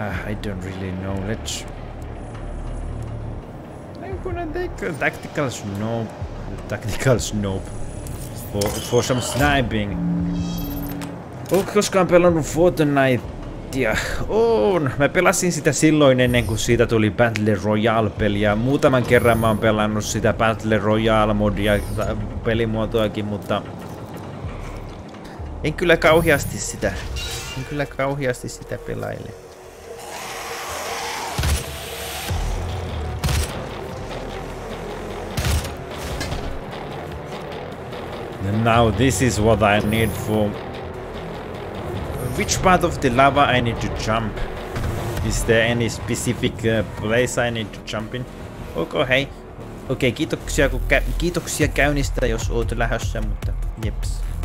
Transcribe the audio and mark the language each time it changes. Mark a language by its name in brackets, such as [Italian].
[English] I don't really know, I'm gonna take a tactical snob for some sniping. [Finnish] Koskaan pelannut Fortnitea? Oon! Mä pelasin sitä silloin ennen kuin siitä tuli Battle Royale-peli. Ja muutaman kerran mä oon pelannut sitä Battle Royale-modia tai pelimuotoakin, mutta... En kyllä kauheasti sitä pelaile. [English] And now this is what I need for... Which part of the lava I need to jump? Is there any specific place I need to jump in? Okay, hey. [Finnish] Okay, kiitoksia käynnistä, jos oot lähössä, mutta jeps.